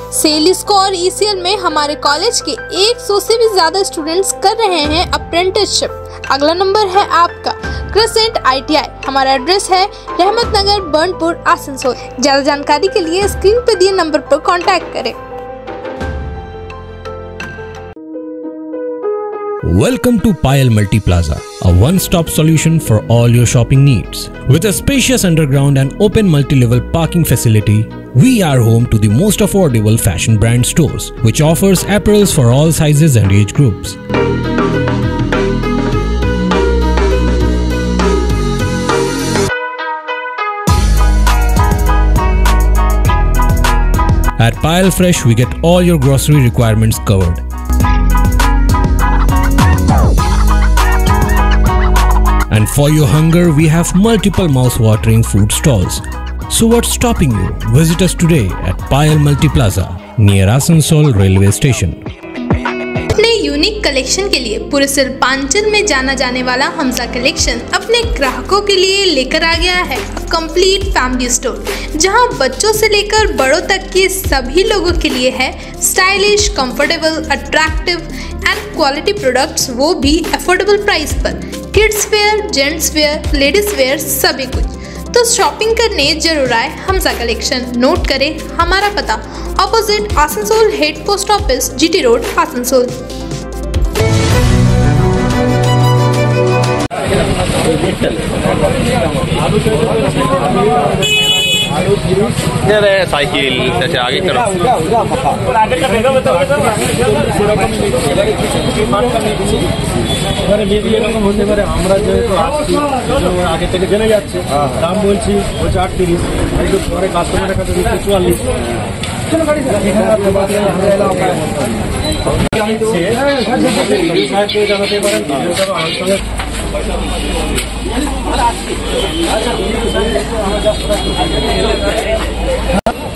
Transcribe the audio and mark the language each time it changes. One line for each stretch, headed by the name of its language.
Hindi: Cell score और ECL में हमारे कॉलेज के 100 से भी ज्यादा स्टूडेंट्स कर रहे हैं अप्रेंटिसशिप। अगला नंबर है आपका क्रिसेंट ITI। हमारा एड्रेस है रहमत नगर, बर्नपुर, आसनसोल। ज्यादा जानकारी के लिए स्क्रीन पर दिए नंबर पर कॉन्टैक्ट करें।
English: Welcome to Payal Multi Plaza, a one-stop solution for all your shopping needs. With a spacious underground and open multi-level parking facility, we are home to the most affordable fashion brand stores, which offers apparels for all sizes and age groups. At Payal Fresh, we get all your grocery requirements covered. And for your hunger, we have multiple mouth-watering food stalls. So what's stopping you? Visit us today at Payal Multi Plaza, near Asansol Railway Station.
Hindi: अपने unique collection के लिए पूरे सिल्पांचल में जाना जाने वाला Hamza collection अपने ग्राहकों के लिए लेकर आ गया है कंप्लीट फैमिली स्टोर, जहां बच्चों से लेकर बड़ों तक के सभी लोगों के लिए है stylish, comfortable, attractive and quality products, वो भी अफोर्डेबल प्राइस पर। Kids where, gents wear, ladies wear, सभी कुछ। तो शॉपिंग करने जरूर आए हमजा कलेक्शन। नोट करें हमारा पता, opposite Asansol head post office, GT road, Asansol. इधर है साइकिल, जैसे आगे करो। आगे करेगा बताओ।
Bangla: এবারে মেবি এরকম হতে পারে, আমরা যেহেতু আগে থেকে জেনে যাচ্ছি দাম বলছি হচ্ছে 38, একটু পরে কাস্টমারের কাছে দিচ্ছি 44।